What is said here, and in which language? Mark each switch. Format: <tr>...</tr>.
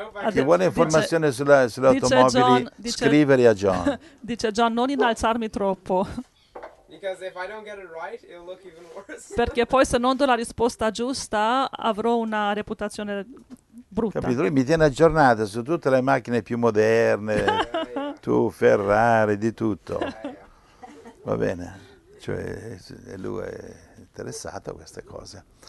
<it>Chi vuole informazioni sulle automobili, scriveli a John. Dice John, non innalzarmi troppo.</it> <en>Because if I don't get it right, it'll look even worse.</en> <it>Perché poi se non do la risposta giusta, avrò una reputazione brutta. Capito? Lui mi tiene aggiornato su tutte le macchine più moderne, tu, Ferrari, di tutto. Va bene. Cioè, lui è interessato a queste cose.</it>